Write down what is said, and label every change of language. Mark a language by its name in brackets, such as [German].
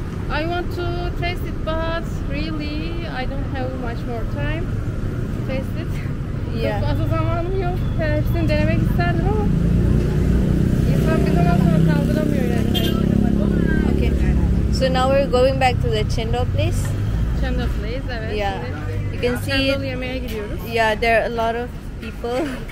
[English] I want to taste it, but really I don't have much more time to taste it. Yeah. [Turkish] Çok fazla zamanım yok. Hepsini denemek isterdim ama insan bir zaman sonra kaldıramıyor yani. [English] Okay. So now we're going back to the Chendo place. [Turkish] Chendo place, evet. [English] Yeah. [Turkish] Şimdi. [English] You can see, yeah, there are a lot of people.